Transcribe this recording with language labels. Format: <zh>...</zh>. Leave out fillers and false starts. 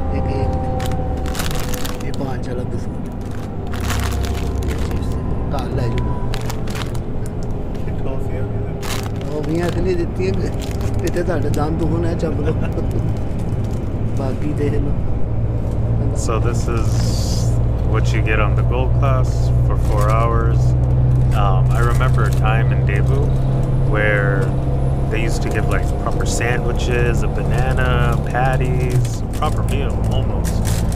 <hi>ये पांच वाला बिस्कुट काल ले जाओ.</hi> <pa>ਕੌਫੀਆਂ ਤਾਂ ਨਹੀਂ ਦਿੱਤੀਆਂ ਕਿਤੇ, ਤੁਹਾਡੇ ਦੰਦ ਹੋਣਾ ਹੈ ਚੱਬ ਲੋ ਬਾਕੀ ਦੇਖ ਲਓ.</pa> <en>So this is what you get on the gold class for 4 hours. I remember a time in Daewoo where they used to give like proper sandwiches, a banana, patties, proper meal almost.</en>